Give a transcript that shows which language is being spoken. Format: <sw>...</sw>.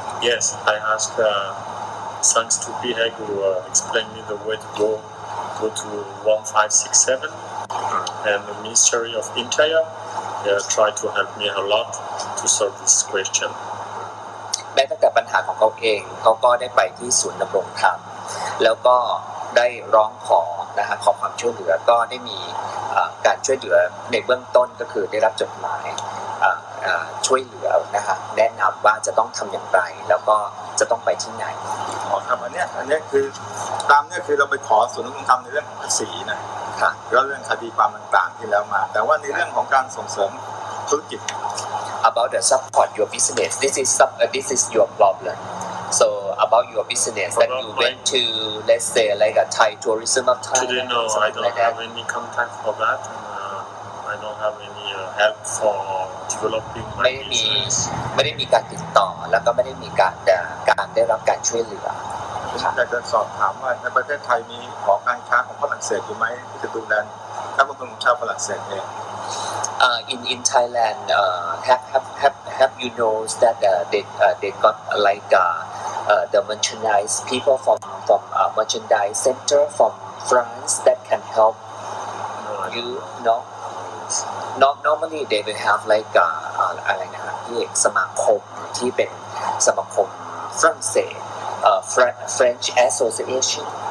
<en>Yes I asked thanks to Pihek who explained me the way to go to 1567 and the Ministry of Interior try to help me a lot to solve this question</en> <th>แม้ตั้งแต่ปัญหาของเขาเองเขาก็ได้ไปที่ศูนย์ดำรงธรรมแล้วก็ได้ร้องขอนะฮะขอความช่วยเหลือก็ได้มีการช่วยเหลือในเบื้องต้นก็คือได้รับจดหมายช่วยเหลือนะฮะแนะนำว่าจะต้องทำอย่างไรแล้วก็จะต้องไปที่ไหน ครับอันนี้คือตามเนี่ยคือเราไปขอศูนย์ดำรงธรรมในเรื่องภาษีนะ ค่ะ ก็เรื่องคดีความต่างๆที่แล้วมาแต่ว่าในเรื่องของการส่งเสริมธุรกิจ</th> <en>about the support your business this is your problem so about your business about that you went to let's say like a Thai tourism of Thailand today no I don't like have any contact for that I don't have any help for developing my business</en> <th>ไม่ได้มีการติดต่อแล้วก็ไม่ได้มีการได้รับการช่วยเหลือ ค่ะจะสอบถามว่าในประเทศไทยมีหอการค้าของฝรั่งเศสอยู่มั้ยที่จะดูแลถ้าคนชาวฝรั่งเศสเนี่ย</th> <en>In Thailand, have you know that they got like the merchandise people from merchandise center from France that can help you know. Normally they will have like</en> <th>อะไรนะครับสมาคมที่เป็นสมาคมฝรั่งเศส</th> <en>French Association</en>